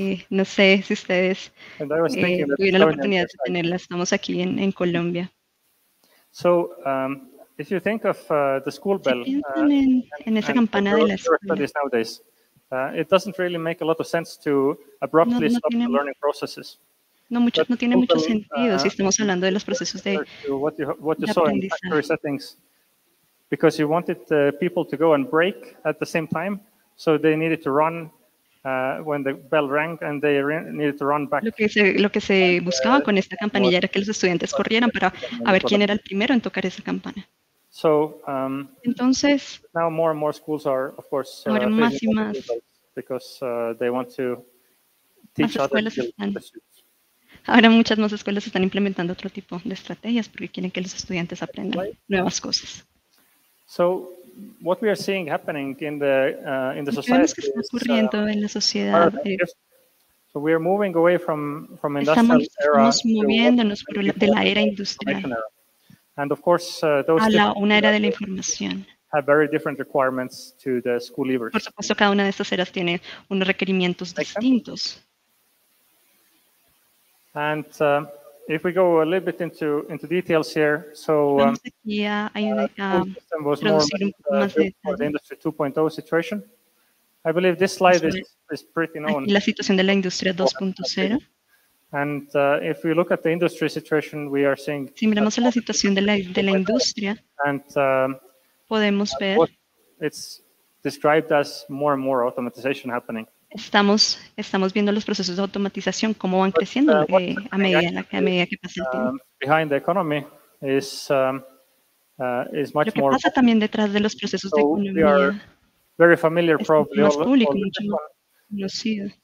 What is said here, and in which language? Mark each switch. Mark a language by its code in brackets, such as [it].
[es] No sé si ustedes tuvieron la oportunidad de tenerla. Estamos aquí en Colombia. [en] So, if you think of the school bell, [es] en esa campana de la escuela, [en] nowadays, it doesn't really make a lot of sense to abruptly stop the learning processes. [es] No tiene mucho sentido si estamos hablando de los procesos de aprendizaje. [en] Because you wanted people to go and break at the same time, so they needed to run when the bell rang, and they needed to run back. [es] Lo que se buscaba con esta campanilla era que los estudiantes corrieran para a ver quién era el primero en tocar esa campana. [en] So, [es] entonces, [en] now more and more schools are, of course, [es] ahora más y más, [en] because they want to teach [es] más escuelas están. Ahora muchas más escuelas están implementando otro tipo de estrategias porque quieren que los estudiantes aprendan nuevas cosas. [en] So what we are seeing happening in the society [es] que está ocurriendo en la sociedad. [en] So we are moving away from industrial [es] estamos, [en] era [es] estamos moviéndonos por la, de la era industrial. [en] And of course those [es] a la, una era de la información. [en] Have very different requirements to the school leavers. [es] Por supuesto cada una de estas eras tiene unos requerimientos [en] Make [es] distintos. [en] Sense? And if we go a little bit into details here, so the industry 2.0 situation. I believe this slide is pretty known. [es] La situación de la industria 2.0. [en] And if we look at the industry situation, we are seeing. [es] Si miramos la situación de la industria, [en] and [es] podemos ver. [en] It's described as more and more automatization happening. [es] Estamos viendo los procesos de automatización cómo van creciendo a medida que pasa el tiempo. [en] Behind the economy is much [es] lo que pasa [en] more [es] también detrás de los procesos [en] so [es] de economía [en] very familiar, [es] es más público, mucho más conocido.